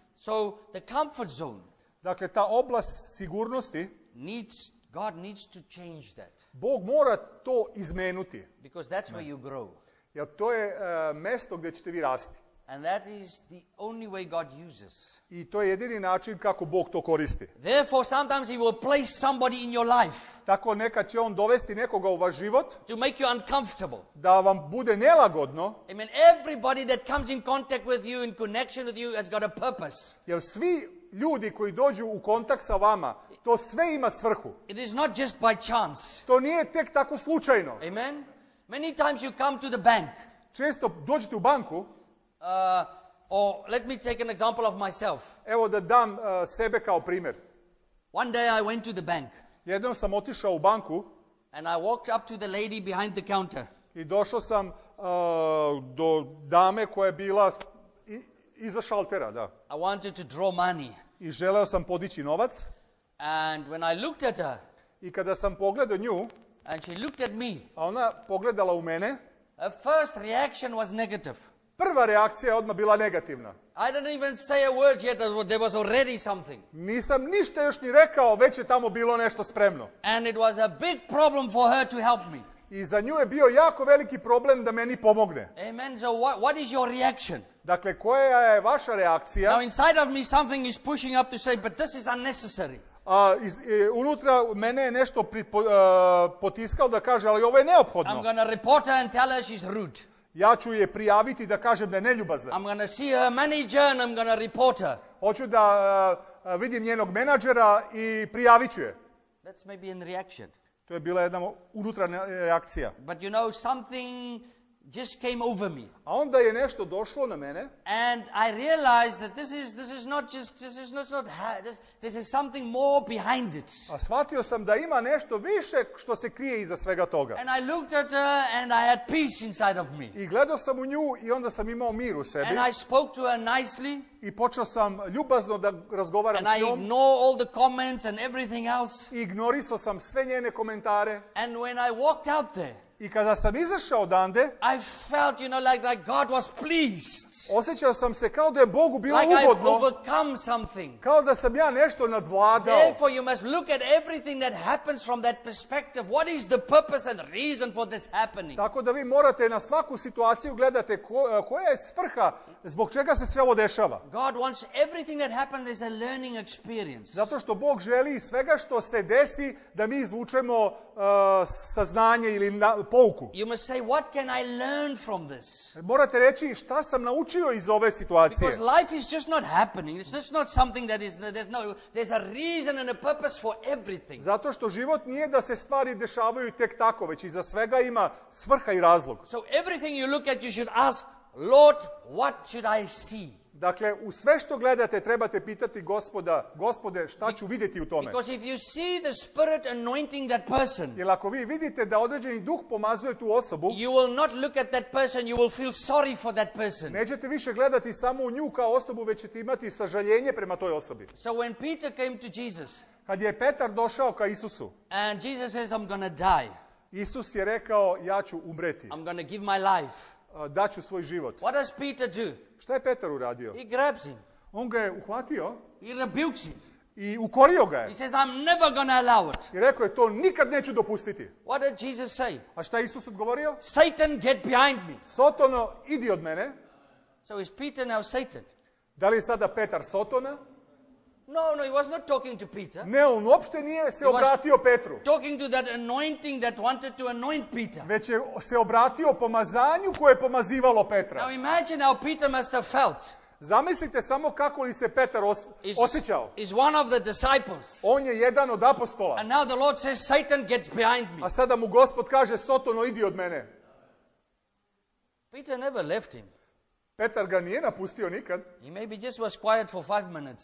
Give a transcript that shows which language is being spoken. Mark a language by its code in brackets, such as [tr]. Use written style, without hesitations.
[en] So the comfort zone. [sr] Dakle, ta oblast sigurnosti, [en] God needs to change that. [sr] Bog mora to izmenuti. [en] Because that's where you grow. [sr] Jer to je mjesto gdje ćete vi rasti. [en] And that is the only way God uses. [sr] I to je jedini način kako Bog to koristi. [en] Therefore, sometimes he will place somebody in your life. [sr] Tako nekad će on dovesti nekoga u vaš život. [en] To make you uncomfortable. [sr] Da vam bude nelagodno. [en] I mean, everybody that comes in contact with you, in connection with you, has got a purpose. [sr] Jer svi ljudi koji dođu u kontakt sa vama, to sve ima svrhu. [en] It is not just by chance. [sr] To nije tek tako slučajno. Amen. [en] Many times you come to the bank. [sr] Često dođete u banku. [en] Or let me take an example of myself. [sr] Evo da dam sebe kao primjer. [en] One day I went to the bank. [sr] Jednom sam otišao u banku. [en] And I walked up to the lady behind the counter. [sr] I došao sam do dame koja je bila iza šaltera, da. [en] I wanted to draw money. [sr] I želeo sam podići novac. [en] And when I looked at her, [sr] i kada sam pogledao nju, [en] and she looked at me, [sr] a ona pogledala u mene, [en] her first reaction was negative. [sr] Prva reakcija je odmah bila negativna. [en] I didn't even say a word yet, there was already something. [sr] Nisam ništa još ni rekao, već je tamo bilo nešto spremno. [en] And it was a big problem for her to help me. [sr] I za nju je bio jako veliki problem da meni pomogne. Amen. [en] So what is your reaction? [sr] Dakle, koja je vaša reakcija? [en] Now inside of me something is pushing up to say, but this is unnecessary. [sr] Unutra mene je nešto potiskao da kaže, ali ovo je neophodno. [en] I'm gonna report her and tell her she's rude. [sr] Ja ću je prijaviti da kažem da je neljubazna. [en] I'm gonna see her manager and I'm gonna report her. [sr] Hoću da vidim njenog menadžera i prijavit ću je. [en] That's maybe in reaction. [sr] To je bila jedna unutrašnja reakcija. [en] But you know, something just came over me. [sr] A onda je nešto došlo na mene. [en] And I realized that this is not just this is something more behind it. [sr] A shvatio sam da ima nešto više što se krije iza svega toga. [en] And I looked at her and I had peace inside of me. [sr] I gledao sam u nju i onda sam imao mir u sebi. [en] And I spoke to her nicely. [sr] I počeo sam ljubazno da razgovaram s njom. [en] And I ignored all the comments and everything else. [sr] Ignorisao sam sve njene komentare. [en] And when I walked out there, [sr] i kada sam izašao odande, [en] I felt, you know, like that God was pleased. [sr] Osjećao sam se kao da je Bogu bilo [en] like [sr] ugodno. [en] I've overcome something. [sr] Kao da sam ja nešto nadvladao. [en] Therefore you must look at everything that happens from that perspective. What is the purpose and reason for this happening? [sr] Tako da vi morate na svaku situaciju gledate koja je svrha zbog čega se sve ovo dešava. [en] God wants everything that happens as a learning experience. [sr] Zato što Bog želi svega što se desi da mi izvučemo saznanje ili pouku. [en] You must say, what can I learn from this? [sr] Morate reći šta sam naučio iz ove situacije. [en] Because life is just not happening. It's just not something that is there's a reason and a purpose for everything. [sr] Zato što život nije da se stvari dešavaju tek tako, već iza svega ima svrha i razlog. [en] So everything you look at you should ask, Lord, what should I see? [sr] Dakle, u sve što gledate, trebate pitati Gospoda, Gospode, šta ću vidjeti u tome? [en] Because if you see the spirit anointing that person, [sr] jer ako vi vidite da određeni duh pomazuje tu osobu, [en] you will not look at that person, you will feel sorry for that person. [sr] Nećete više gledati samo u nju kao osobu, već ćete imati sažaljenje prema toj osobi. [en] So when Peter came to Jesus, [sr] kad je Petar došao ka Isusu, [en] and Jesus says, I'm gonna die. [sr] Isus je rekao, ja ću umreti. [en] I'm gonna give my life. [sr] Daću svoj život. [en] What does Peter do? [sr] Šta je Petar uradio? [en] He grabs him. [sr] On ga je uhvatio. [en] He rebukes him. [sr] I ukorio ga je. [en] He says, I'm never gonna allow it. [sr] I rekao je, to nikad neću dopustiti. [en] What did Jesus say? [sr] A šta je Isus odgovorio? [en] Satan, get behind me. [sr] Sotono, idi od mene. [en] So is Peter now Satan? [sr] Da li je sada Petar Sotona? [en] No, he was not talking to Peter. [sr] Ne, on uopšte nije se obratio Petru. [en] Talking to that anointing that wanted to anoint Peter. [sr] Već je se obratio pomazanju koje je pomazivalo Petra. [en] Now imagine how Peter must have felt. [sr] Zamislite samo kako li se Petar osjećao. [en] Is one of the disciples. [sr] On je jedan od apostola. [en] And now the Lord says, Satan gets behind me. [sr] A sada mu Gospod kaže, Sotono, idi od mene. [en] Peter never left him. [sr] Petar ga nije napustio nikad. [en] He maybe just was quiet for 5 minutes.